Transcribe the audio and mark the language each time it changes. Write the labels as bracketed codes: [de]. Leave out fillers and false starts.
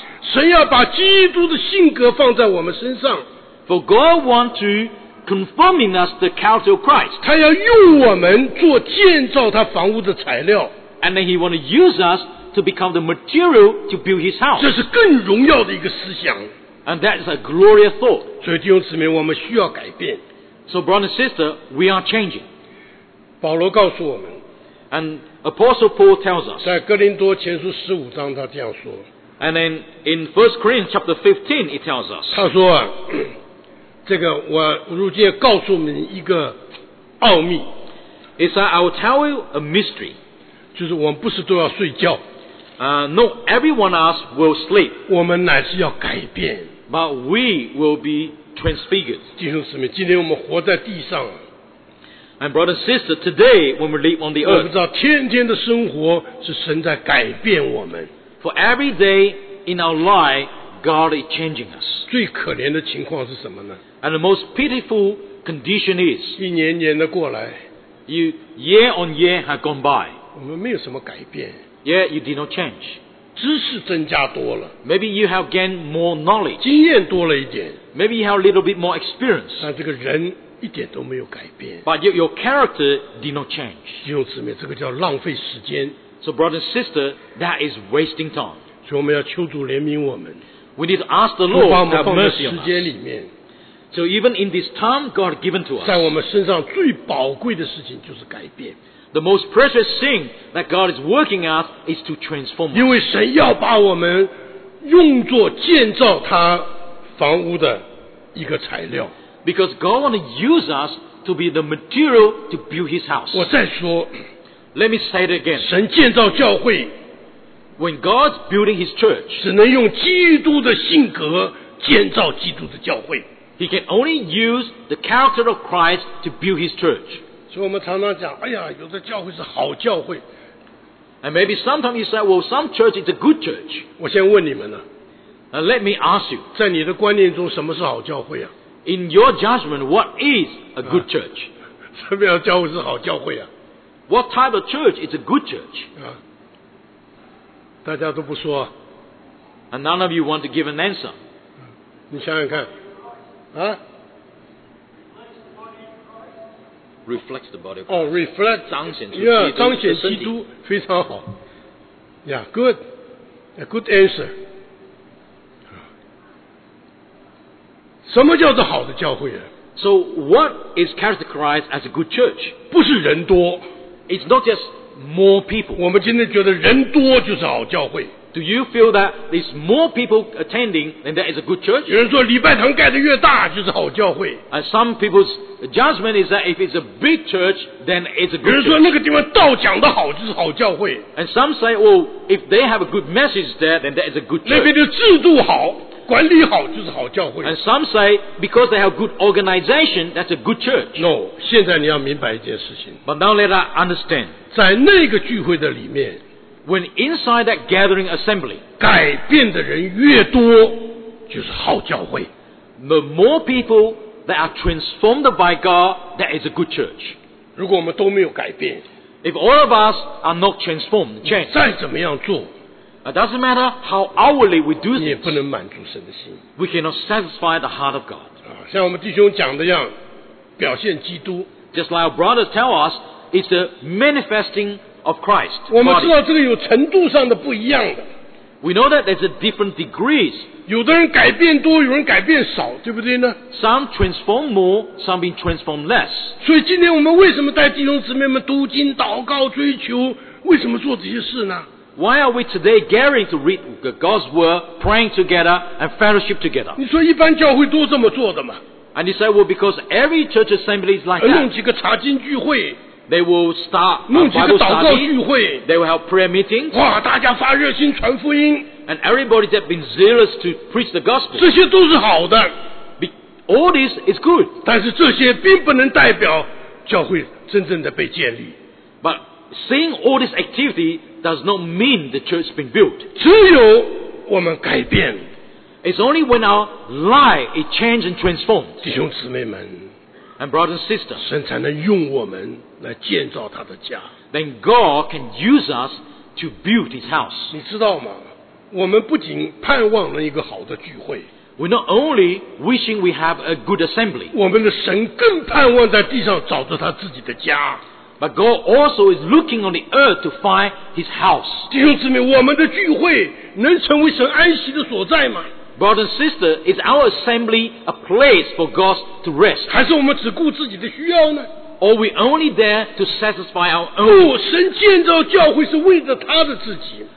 [zh] 神要把基督的性格放在我们身上。 [en] For God wants to conform in us the character of Christ. [zh] 他要用我们做建造他房屋的材料。 [en] And then he want to use us to become the material to build his house. [zh] 这是更荣耀的一个思想。 [en] And that is a glorious thought. [zh] 所以弟兄姊妹，我们需要改变。 [en] So brother and sister, we are changing. [zh] 保罗告诉我们。 [en] And Apostle Paul tells us. [zh] 在哥林多前书十五章他这样说。 [en] And then in 1 Corinthians chapter 15, it tells us. [zh] 他说啊，这个我如今告诉你们一个奥秘。 [en] It's that I will tell you a mystery. [zh] 就是我们不是都要睡觉。 [en] No, every one of us will sleep. [zh] 我们乃是要改变。 [en] But we will be transfigured. [zh] 弟兄姊妹，今天我们活在地上。 [en] And brother and sister, today when we live on the earth, [zh] 我们知道天天的生活是神在改变我们。 [en] For every day in our life, God is changing us. [zh] 最可怜的情况是什么呢？ [en] And the most pitiful condition is, [zh] 一年年的过来， [en] you year on year have gone by. [zh] 我们没有什么改变。 [en] Yeah, you did not change. [zh] 知识增加多了。 [en] Maybe you have gained more knowledge. [zh] 经验多了一点。 [en] Maybe you have a little bit more experience. [zh] 但这个人一点都没有改变。 [en] But your character did not change. [zh] 弟兄姊妹，这个叫浪费时间。 [en] So brother and sister, that is wasting time. [zh] 所以我们要求主怜悯我们。 [en] We need to ask the Lord have mercy on us. [zh] 时间里面。 [en] So even in this time God given to us. [zh] 在我们身上最宝贵的事情就是改变。 [en] The most precious thing that God is working at is to transform us. [zh] 因为神要把我们用作建造他房屋的一个材料。 [en] Because God wants to use us to be the material to build His house. [zh] 我再说， [en] Let me say it again. [zh] 神建造教会， [en] When God's building His church, [zh] 只能用基督的性格建造基督的教会。 [en] He can only use the character of Christ to build His church. [zh] 所以我们常常讲，哎呀，有的教会是好教会。 [en] And maybe sometimes you say, well, some church is a good church. [zh] 我先问你们呢。 [en] Let me ask you. [zh] 在你的观念中，什么是好教会啊？ [en] In your judgment, what is a good church? [zh] 什么样的教会是好教会啊？ [en] What type of church is a good church? [zh] 大家都不说。 [en] And none of you want to give an answer. [zh] 你想想看。 [en] Reflect the body of Christ. Reflect. [zh] 彰显出基督的身体。 [en] Yeah, [zh] 彰显基督非常好。 [en] Yeah, good. A good answer. [zh] 什么叫做好的教会啊？ [en] So what is characterized as a good church? [zh] 不是人多。 [en] It's not just more people. [zh] 我们今天觉得人多就是好教会。 [en] Do you feel that there's more people attending and that is a good church? [zh] 有人说礼拜堂盖得越大就是好教会。 [en] And some people's judgment is that if it's a big church then it's a good church. [zh] 有人说那个地方道讲得好就是好教会。 [en] And some say, well, if they have a good message there then that is a good church. [zh] 那边的制度好管理好就是好教会。 [en] And some say because they have good organization, that's a good church. [zh] No, 现在你要明白一件事情。 [en] But now let us understand. [zh] 在那个聚会的里面， [en] When inside that gathering assembly, [zh] 改变的人越多就是好教会。 [en] The more people that are transformed by God, that is a good church. [zh] 如果我们都没有改变， [en] If all of us are not transformed, change, [zh] 再怎么样做， [en] It doesn't matter how hourly we do this. [zh] 你也不能满足神的心。 [en] We cannot satisfy the heart of God. [zh] 像我们弟兄讲的样，表现基督。 [en] Just like our brothers tell us, it's a manifesting of Christ. [zh] 我们知道这个有程度上的不一样的。 [en] We know that there's a different degrees. [zh] 有的人改变多，有人改变少，对不对呢？ [en] Some transform more, some being transformed less. [zh] 所以今天我们为什么带弟兄姊妹们读经、祷告、追求，为什么做这些事呢？ [en] Why are we today gathering to read God's word, praying together, and fellowship together? [zh] 你说一般教会都这么做的吗？ [en] And you say, well, because every church assembly is like that. [zh] 弄几个查经聚会。 [en] They will start Bible study. [zh] 弄几个祷告聚会。 [en] They will have prayer meetings. [zh] 哇，大家发热心传福音。 [en] And everybody that been zealous to preach the gospel. [zh] 这些都是好的。 [en] All this is good. [zh] 但是这些并不能代表教会真正的被建立。 [en] But seeing all this activity,does not mean the church has been built. [zh] 只有我们改变。 [en] It's only when our life is changed and transformed. [zh] 弟兄姊妹们。 [en] And brothers and sisters. [zh] 神才能用我们来建造他的家。 [en] Then God can use us to build his house. [zh] 你知道吗？我们不仅盼望了一个好的聚会。 [en] We're not only wishing we have a good assembly. [zh] 我们的神更盼望在地上找着他自己的家。 [en] But God also is looking on the earth to find His house. [zh] 弟兄姊妹，我们的聚会能成为神安息的所在吗？ [en] Brother and sister, is our assembly a place for God to rest? [zh] 还是我们只顾自己的需要呢？ [en] or we only there to satisfy our own. [zh] 不，神建造教会是为了他的自己。